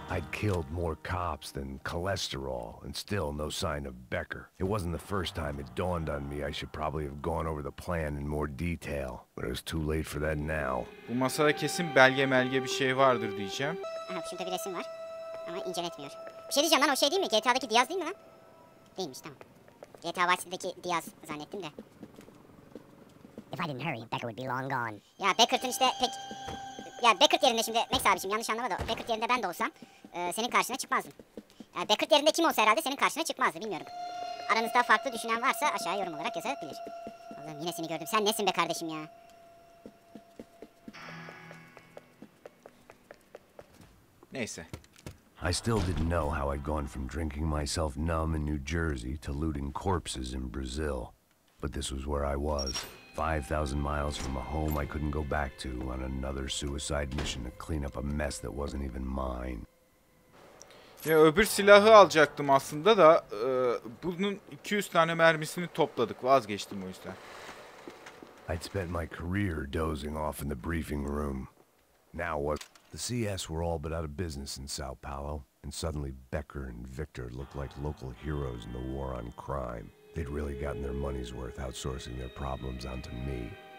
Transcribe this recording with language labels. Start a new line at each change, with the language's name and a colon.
English: Killed more cops than cholesterol and still no sign of Becker. It wasn't the first time it dawned on me I should probably have gone over the plan in more detail, but it was too late for that now.
Turkish: Bu masada kesin belge melge bir şey vardır diyeceğim. Aha, şurada bir resim var ama inceletmiyor. Bir şey diyeceğim lan, o şey değil mi? GTA'daki Diaz değil mi lan? Değilmiş, tamam. GTA Vice City'deki Diaz zannettim de.
English: If I didn't hurry, Becker would be long gone.
Turkish: Ya Becker'ın işte pek... Ya Becker yerinde şimdi, Max abiciğim yanlış anlama da, Becker yerinde ben de olsam senin karşına çıkmazdım. Yani Beckert yerinde kim olsa herhalde senin karşına çıkmazdı, bilmiyorum. Aranızda farklı düşünen varsa aşağı yorum olarak yazabilir. Allah'ım yine seni gördüm. Sen nesin be kardeşim ya? Neyse.
English: I still didn't know how I'd gone from drinking myself numb in New Jersey to looting corpses in Brazil. But this was where I was. 5,000 miles from a home I couldn't go back to on another suicide mission to clean up a mess that wasn't even mine.
Turkish: Ya öbür silahı alacaktım aslında da bunun 200 tane mermisini topladık, vazgeçtim o yüzden.
English: I'd spent my career dozing off in the briefing room. Now what? The CS were all but out of business in Sao Paulo, and suddenly Becker and Victor looked like local heroes in the war on crime. They'd really gotten their money's worth outsourcing their problems onto me.